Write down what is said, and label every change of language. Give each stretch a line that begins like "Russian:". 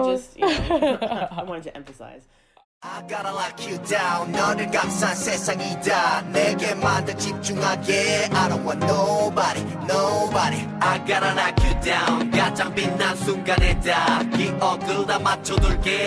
English: I just, you know, I wanted to emphasize. I gotta lock you down.
Korean: 너를 감싼 세상이 다 내게만 더 집중하게.
English: I don't want nobody. I gotta lock you down.
Korean: 가장 빛난 순간에 다 기억을 다 맞춰둘게.